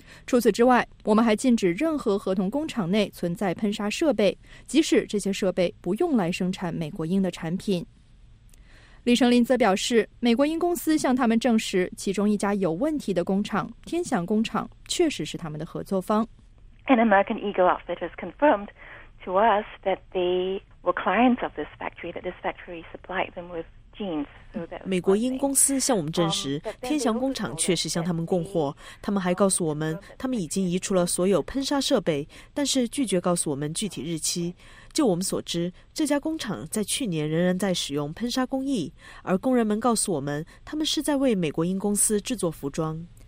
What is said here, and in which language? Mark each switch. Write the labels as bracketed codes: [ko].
[zh] 除此之外，我们还禁止任何合同工厂内存在喷砂设备，即使这些设备不用来生产美国鹰的产品。李成林则表示，美国鹰公司向他们证实，其中一家有问题的工厂——天翔工厂，确实是他们的合作方。 [en] An American Eagle outfit has confirmed to us that they were clients of this factory, that this factory supplied them with jeans. [zh] 美国鹰公司向我们证实，天翔工厂确实向他们供货。他们还告诉我们，他们已经移除了所有喷砂设备，但是拒绝告诉我们具体日期。就我们所知，这家工厂在去年仍然在使用喷砂工艺，而工人们告诉我们，他们是在为美国鹰公司制作服装。